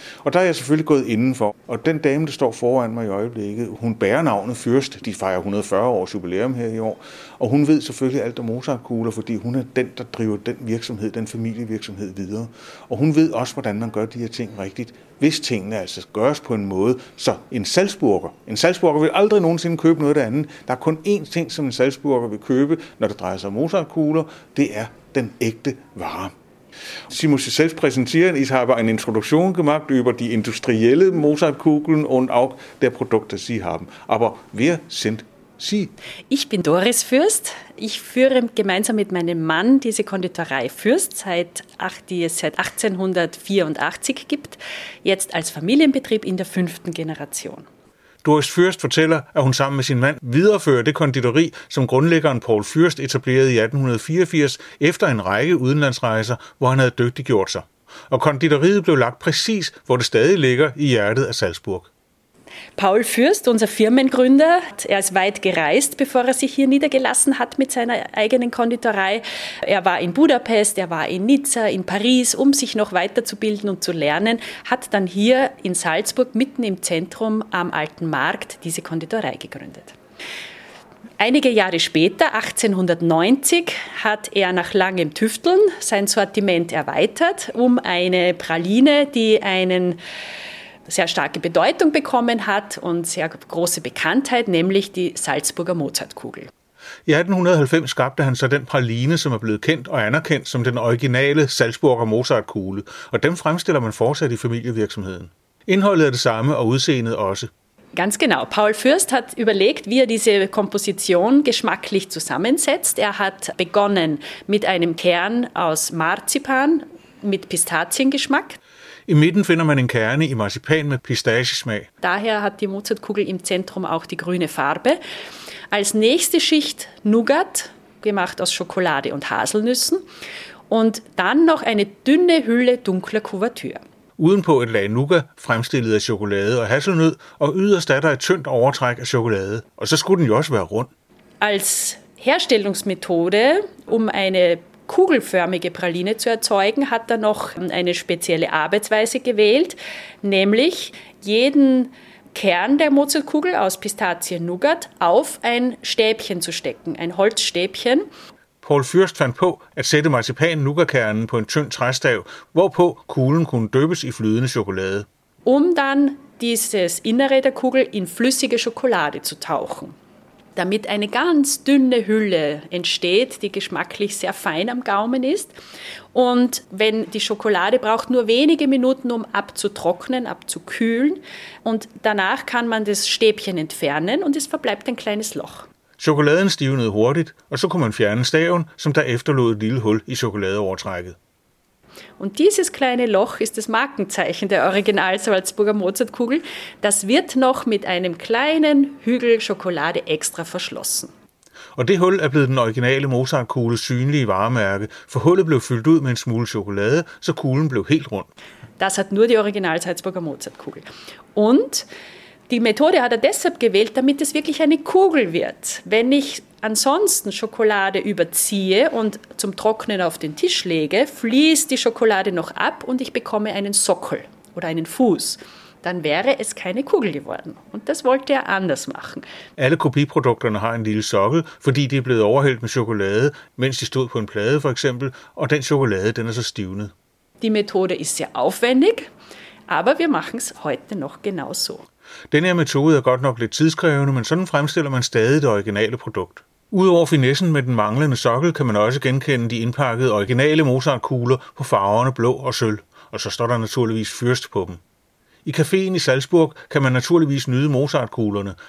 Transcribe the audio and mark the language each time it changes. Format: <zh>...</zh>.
<da>Og der er jeg selvfølgelig gået indenfor, og den dame, der står foran mig i øjeblikket, hun bærer navnet Fürst, de fejrer 140 års jubilæum her i år, og hun ved selvfølgelig alt om Mozart-kugler, fordi hun er den, der driver den virksomhed, den familievirksomhed videre. Og hun ved også, hvordan man gør de her ting rigtigt, hvis tingene altså gøres på en måde, så en salzburger vil aldrig nogensinde købe noget andet. Der er kun én ting, som en salzburger vil købe, når det drejer sig om Mozart-kugler, det er den ægte vare.</da> <de>Sie muss sich selbst präsentieren. Ich habe eine Introduktion gemacht über die industrielle Mozartkugeln und auch der Produkte, die Sie haben. Aber wer sind Sie? Ich bin Doris Fürst. Ich führe gemeinsam mit meinem Mann diese Konditorei Fürst, die es seit 1884 gibt, jetzt als Familienbetrieb in der fünften Generation.</de> <da>Doris Fürst fortæller, at hun sammen med sin mand viderefører det konditori, som grundlæggeren Paul Fürst etablerede i 1884 efter en række udenlandsrejser, hvor han havde dygtiggjort sig. Og konditoriet blev lagt præcis, hvor det stadig ligger i hjertet af Salzburg.</da> <de>Paul Fürst, unser Firmengründer, er ist weit gereist, bevor er sich hier niedergelassen hat mit seiner eigenen Konditorei. Er war in Budapest, er war in Nizza, in Paris, um sich noch weiterzubilden und zu lernen, hat dann hier in Salzburg mitten im Zentrum am Alten Markt diese Konditorei gegründet. Einige Jahre später, 1890, hat er nach langem Tüfteln sein Sortiment erweitert, um eine Praline, die einen sehr starke Bedeutung bekommen hat und sehr große Bekanntheit, nämlich die Salzburger Mozartkugel.</de> <da>I 1890 skabte han så den praline, som er blevet kendt og anerkendt som den originale Salzburger Mozartkugle, og dem fremstiller man fortsat i familievirksomheden. Indholdet er det samme og udseendet også.</da> <de>Ganz genau. Paul Fürst hat überlegt, wie er diese Komposition geschmacklich zusammensetzt. Er hat begonnen mit einem Kern aus Marzipan mit Pistaziengeschmack.</de> <da>I midten finder man en kerne i marcipan med pistachesmag.</da> <de>Daher hat die Mozartkugel im Zentrum auch die grüne Farbe. Als nächste Schicht Nougat, gemacht aus Schokolade und Haselnüssen. Und dann noch eine dünne Hülle dunkler Kuvertüre.</de> <da>Udenpå et lag nougat, fremstillet af chokolade og hasselnød, og yderst er der et tyndt overtræk af chokolade. Og så skulle den jo også være rund.</da> <de>Als Herstellungsmethode, um eine kugelförmige Praline zu erzeugen, hat er noch eine spezielle Arbeitsweise gewählt, nämlich jeden Kern der Mozartkugel aus Pistazien-Nougat auf ein Stäbchen zu stecken, ein Holzstäbchen.</de> <da>Paul Fürst fandt på at sætte marzipan-nougat-kernen på en tynd træstav, hvorpå kuglen kunne dyppes i flydende chokolade.</da> <de>Um dann dieses Innere der Kugel in flüssige Schokolade zu tauchen. Damit eine ganz dünne Hülle entsteht, die geschmacklich sehr fein am Gaumen ist. Und wenn die Schokolade braucht nur wenige Minuten, um abzutrocknen, abzukühlen. Und danach kann man das Stäbchen entfernen und es verbleibt ein kleines Loch.</de> <da>Schokoladen stivnede hurtigt, og så kunne man fjerne staven, som der efterlod et lille hul i chokoladeovertrækket.</da> <de>Und dieses kleine Loch ist das Markenzeichen der Original Salzburger Mozartkugel. Das wird noch mit einem kleinen Hügel Schokolade extra verschlossen.</de> <da>Og det hul er blevet den originale Mozartkugles synlige varemærke, for hullet blev fyldt ud med en smule chokolade, så kuglen blev helt rund.</da> <de>Das hat nur die originale Salzburger Mozartkugel. Und die Methode hat deshalb gewählt, damit es wirklich eine Kugel wird. Wenn ich ansonsten Schokolade überziehe und zum Trocknen auf den Tisch lege, fließt die Schokolade noch ab und ich bekomme einen Sockel oder einen Fuß. Dann wäre es keine Kugel geworden. Und das wollte er anders machen.</de> <da>Alle kopieprodukterne har en lille sokkel, fordi de er blevet overhældt med chokolade, mens de stod på en plade for eksempel, og den chokolade, den er så stivnet.</da> <de>Die Methode ist sehr aufwendig, aber wir machen es heute noch genauso.</de> <da>Den her metode er godt nok lidt tidskrævende, men sådan fremstiller man stadig det originale produkt. Udover finessen med den manglende sokkel, kan man også genkende de indpakkede originale Mozartkugler på farverne blå og sølv, og så står der naturligvis Fürst på dem. I caféen i Salzburg kan man naturligvis nyde Mozartkuglerne.</da>